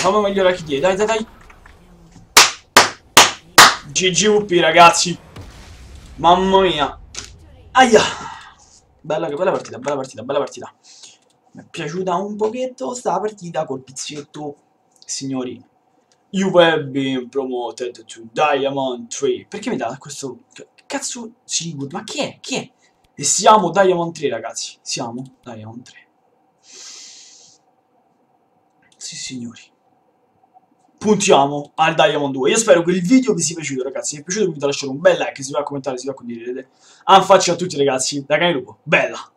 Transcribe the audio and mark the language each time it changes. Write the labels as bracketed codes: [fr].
[it] Fammi migliorare chi dai, dai, dai. GGWP, ragazzi. Mamma mia. Aia. Bella partita, bella partita. Mi è piaciuta un pochetto sta partita col pizzetto. Signori. [en] You have been promoted to Diamond 3. [it] Perché mi dà questo... Cazzo, Sigurd, ma chi è? Chi è? E siamo Diamond 3, ragazzi. Siamo Diamond 3. Sì, signori. Puntiamo al Diamond 2. Io spero che il video vi sia piaciuto, ragazzi. Se vi è piaciuto, vi invito a lasciare un bel like. Se vi va a commentare, se vi va a condividere. Un faccio a tutti, ragazzi. Da Canelupo. Bella.